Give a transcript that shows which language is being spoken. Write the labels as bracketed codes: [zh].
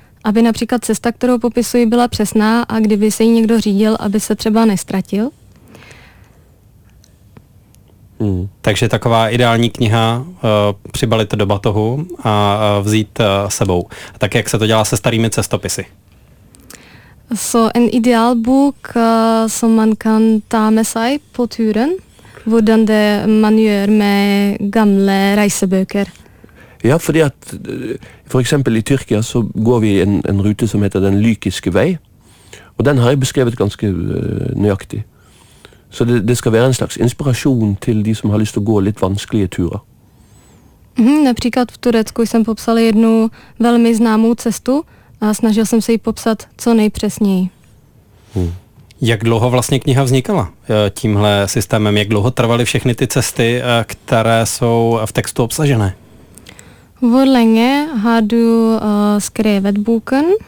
[cs] Aby například cesta, kterou popisuji, byla přesná a kdyby se jí někdo řídil, aby se třeba nestratil. Hmm. Takže taková ideální kniha, přibalit do batohu a vzít sebou. Tak jak se to dělá se starými cestopisy? [no] So, en ideal book, som man kan ta med seg på turen, hvordan det man gjør med gamle reisebøker. Ja, fordi at for eksempel i Tyrkia så går vi en rute som heter den lykiske vei, og den har jeg beskrevet ganske nøyaktig. Så det skal være en slags inspirasjon til de som har lyst til å gå litt vanskelige turer. [cs] Mm, například v Turecku jsem popsal jednu velmi známou cestu a snažil jsem se ji popsat co nejpresněji. Hmm. Jak dlouho vlastně kniha vznikala tímhle systémem? Jak dlouho trvaly všechny ty cesty, které jsou v textu obsažené? [no] Hvor lenge har du skrevet boken?